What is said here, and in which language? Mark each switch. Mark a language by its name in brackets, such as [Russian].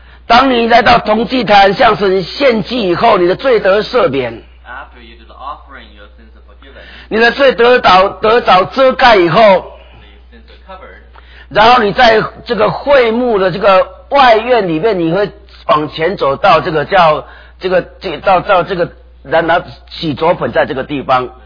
[Chinese] 当你来到铜祭坛向神献祭以后，你的罪得赦免。 [English] After you do the offering, your sins are forgiven. [Chinese] 你的罪得着遮盖以后， [English] so your sins are covered. [Chinese] 然后你在这个会幕的这个外院里面，你会往前走到这个叫这个这到这个然后洗濯盆在这个地方。